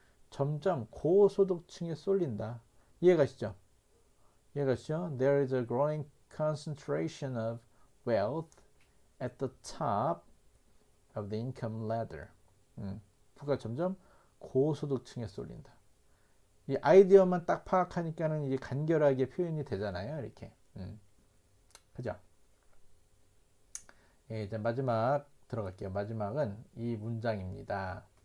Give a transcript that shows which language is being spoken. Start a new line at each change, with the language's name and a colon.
Korean: 점점 고소득층에 쏠린다. 이해가시죠? 이해가시죠?
English: There is a growing concentration of wealth at the top of the income ladder.
Korean: 부가 점점 고소득층에 쏠린다. 이 아이디어만 딱 파악하니까는 이제 간결하게 표현이 되잖아요. 이렇게. 그죠? 예, 이제 마지막 들어갈게요. 마지막은 이 문장입니다.